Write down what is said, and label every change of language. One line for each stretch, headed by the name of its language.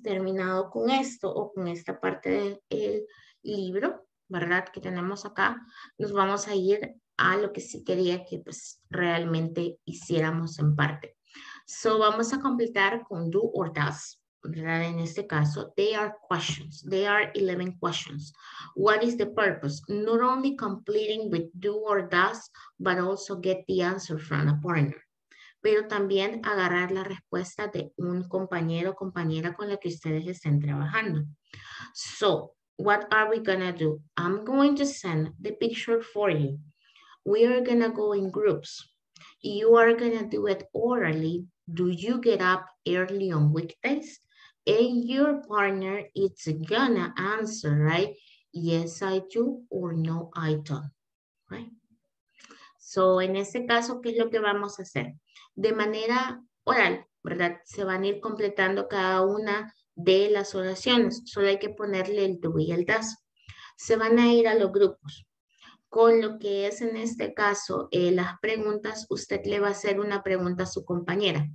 Spanish: Terminado con esto o con esta parte del libro, ¿verdad? Que tenemos acá, nos vamos a ir a lo que sí quería que pues realmente hiciéramos en parte. So, vamos a completar con do or does, ¿verdad? En este caso,
English: they are questions. They are 11 questions. What is the purpose? Not only completing with do or does, but also get the answer from a partner. Pero también agarrar la respuesta de un compañero o compañera con la que ustedes estén trabajando. So, what are we gonna do? I'm going to send the picture for you. We are gonna go in groups. You are gonna do it orally. Do you get up early on weekdays? And your partner is gonna answer, right? Yes, I do or no, I don't, right?
Spanish: So, en este caso, ¿qué es lo que vamos a hacer? De manera oral, ¿verdad? Se van a ir completando cada una de las oraciones. Solo hay que ponerle el do y el does. Se van a ir a los grupos. Con lo que es en este caso las preguntas, usted le va a hacer una pregunta a su compañera.